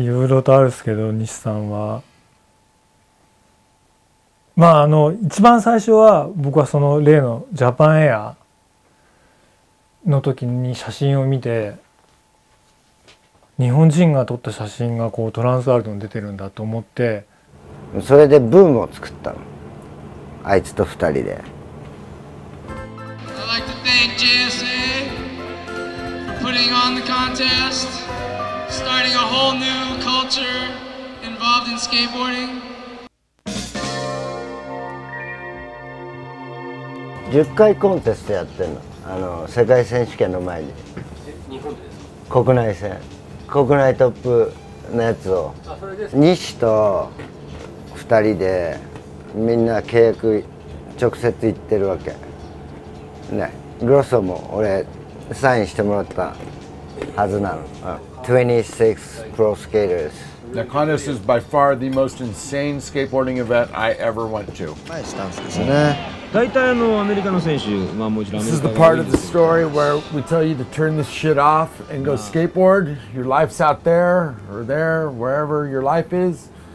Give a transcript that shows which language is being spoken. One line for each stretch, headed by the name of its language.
Japanese: ん、いろいろとあるんですけど、西さんはまあ一番最初は僕はその例のジャパンエアの時に写真を見て、日本人が撮った写真がこうトランスワールドに出てるんだと思って、それでブームを作ったの、あいつと二人で。
English: I'd like to thank GSA for putting on the contest, starting a whole new culture involved in skateboarding.
Japanese: 10回コンテストやってんの、世界選手権の前に。日本でですか？国内戦、国内トップのやつを、西と2人でみんな契約直接行ってるわけね。グロッソも俺サインしてもらったはずなの、
English: 26 Pro Skaters。 The contest is by far the most insane skateboarding event I ever went to. This is the part of the story where we tell you to turn this shit off and go skateboard. Your life's out there or there, wherever your life is.